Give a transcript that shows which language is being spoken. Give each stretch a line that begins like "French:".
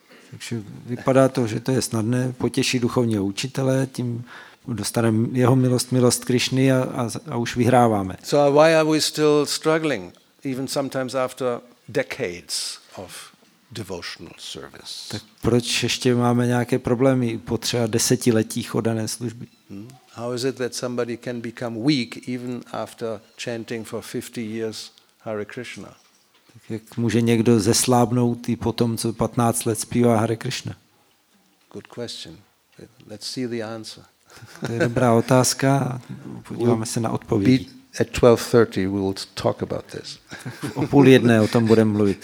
Czech: Takže vypadá to, že to je snadné, potěší duchovního učitele, tím dostaneme jeho milost Krišny a už vyhráváme.
English: So why are we still struggling even sometimes after decades of devotional service?
Czech: Tak proč ještě máme nějaké problémy po třeba desetiletí chodané služby?
English: How is it that somebody can become weak even after chanting for 50 years Hare Krishna?
Czech: Tak jak může někdo zeslábnout i po tom, co 15 let zpívá Hare Krishna?
English: Good question. Let's see the answer.
Czech: To je dobrá otázka. Podíváme se na odpovědi.
English: At 12:30 we will talk about this.
Czech: O půl jedné o tom budeme mluvit.